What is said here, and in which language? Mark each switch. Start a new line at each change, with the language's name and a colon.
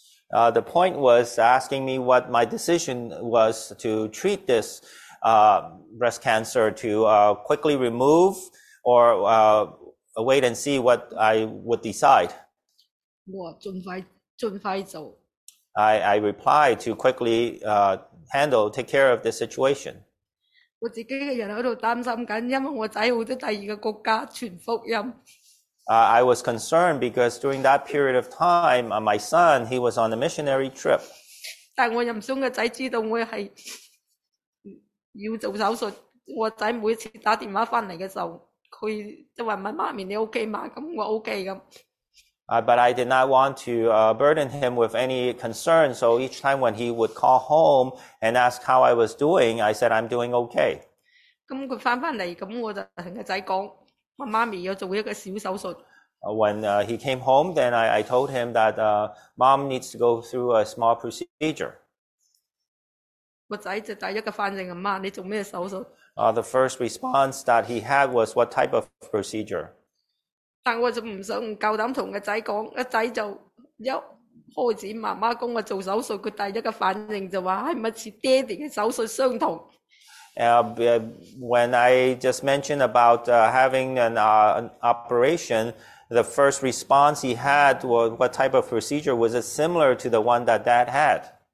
English: The point was asking me what my decision was to treat this breast cancer, to quickly remove or wait and see what I would decide.
Cantonese: 哇，盡快走。
English: I replied to quickly handle, take care of this situation.
Cantonese: 我自己嘅人喺度担心紧，因为我仔去咗第二个国家传福音。
English: I was concerned because during that period of time, my son, he was on a missionary trip.
Cantonese: 但我又唔想个仔知道我系要做手术。我仔每次打电话翻嚟嘅时候，佢都话：，妈咪，你 OK 嘛？咁我 OK 咁。
English: But I did not want to burden him with any concern. So each time when he would call home and ask how I was doing, I said, I'm doing okay.
Cantonese: 咁佢翻翻嚟，咁我就同个仔讲：，我妈咪要做一个小手术。
English: When he came home, then I told him that mom needs to go through a small procedure.
Cantonese: 个仔就第一个反应：，妈，你做咩手术？
English: The first response that he had was, "What type of procedure?"
Cantonese: 但我就唔想唔够胆同个仔讲，个仔就一开始妈妈讲我做手术，佢第一个反应就话：，系咪似爹哋嘅手术相同？
English: When I just mentioned about having an operation, the first response he had was, what type of procedure was it similar to the one that dad had?